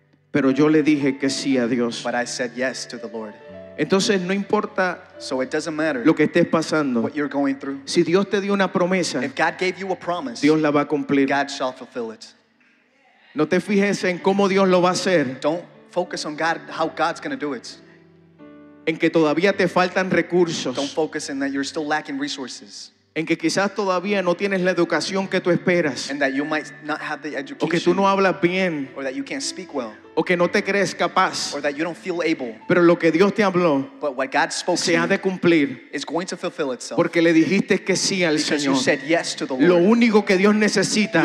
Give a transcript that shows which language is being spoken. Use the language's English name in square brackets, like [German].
[Spanish] Pero yo le dije que sí a Dios. [English] But I said yes to the Lord. [Spanish] Entonces no importa. [English] So it doesn't matter. [Spanish] Lo que estés pasando. [English] What you're going through. [Spanish] Si Dios te dio una promesa. [English] If God gave you a promise. [Spanish] Dios la va a cumplir. [English] God shall fulfill it. [Spanish] No te fijes en cómo Dios lo va a hacer. [English] Don't focus on God, how God's going to do it. [Spanish] En que todavía te faltan recursos. [English] Don't focus in that you're still lacking resources. [Spanish] En que quizás todavía no tienes la educación que tú esperas. [English] And that you might not have the education. [Spanish] O que tú no hablas bien. [English] Or that you can't speak well. [Spanish] O que no te crees capaz. [English] Or that you don't feel able. [Spanish] Pero lo que Dios te habló. [English] But what God spoke [Spanish] se ha de cumplir. [English] Is going to fulfill itself. [Spanish] Porque le dijiste que sí al [English] because [Spanish] Señor. [English] You said yes to the Lord. [Spanish] Lo único que Dios necesita.